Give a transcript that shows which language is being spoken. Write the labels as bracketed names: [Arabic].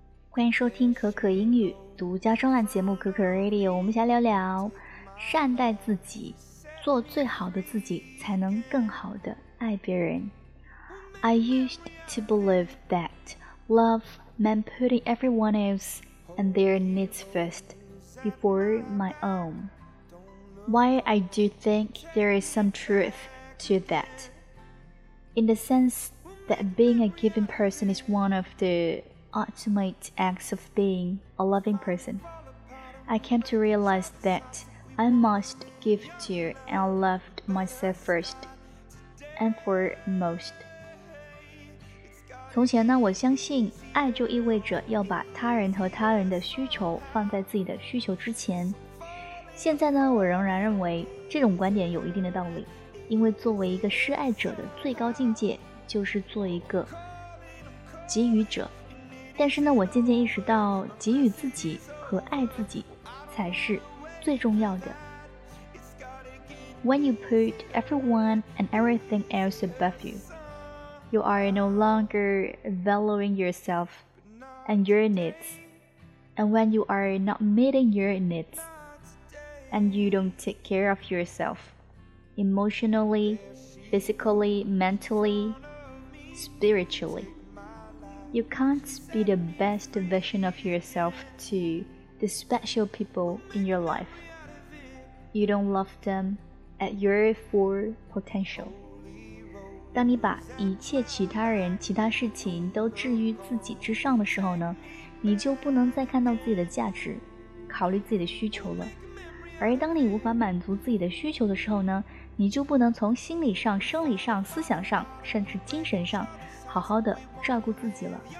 [Chinese] 欢迎收听可可英语独家专栏节目可可 Radio， 我们先聊聊善待自己，做最好的自己才能更好的爱别人。 [English] I used to believe that love meant putting everyone else and their needs first before my own. Why I do think there is some truth to that. In the sense that being a giving person is one of theultimate acts of being a loving person. I came to realize that I must give to and love myself first and foremost. [Chinese] 从前呢，我相信爱就意味着要把他人和他人的需求放在自己的需求之前。现在呢，我仍然认为这种观点有一定的道理，因为作为一个施爱者的最高境界就是做一个给予者。但是呢，我渐渐意识到给予自己和爱自己才是最重要的。 [English] When you put everyone and everything else above you, you are no longer valuing yourself and your needs. And when you are not meeting your needs and you don't take care of yourself emotionally, physically, mentally, spirituallyYou can't be the best version of yourself to the special people in your life. You don't love them at your full potential. [Chinese] 当你把一切其他人、其他事情都置于自己之上的时候呢，你就不能再看到自己的价值，考虑自己的需求了。而当你无法满足自己的需求的时候呢，你就不能从心理上、生理上、思想上，甚至精神上好好的照顾自己了。